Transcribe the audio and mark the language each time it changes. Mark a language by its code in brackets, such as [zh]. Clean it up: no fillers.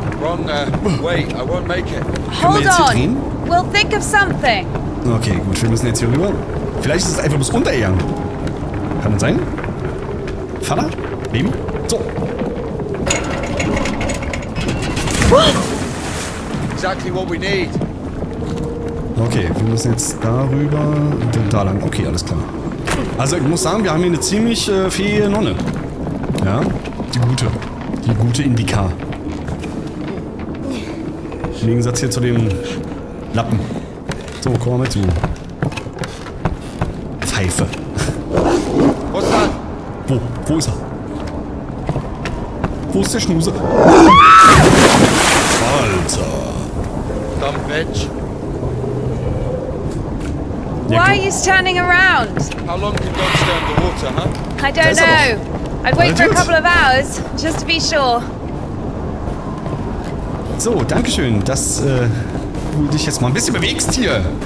[en] Wrong, wait, I won't make it. Hold on! We'll think of something! [de] Okay, gut, wir müssen jetzt hier rüber. Vielleicht ist es einfach bloß untergegangen. Kann das sein? Vater? Baby? So! [en] Exactly what we need! [de] Okay, wir müssen jetzt darüber und dann da lang. Okay, alles klar. Also, ich muss sagen, wir haben hier eine ziemlich fähige Nonne. Ja? Die gute Indika. Im Gegensatz hier zu dem Lappen. So, komm mal mit, du. Pfeife. Wo ist er? Wo? Wo ist er? Wo ist der Schnuse? Alter. [en] Dumb bitch. Why are you standing around? How long can dogs stay underwater, huh? I don't know. I'd wait for a couple of hours, just to be sure. [de] So, danke schön, dass du dich jetzt mal ein bisschen bewegst hier.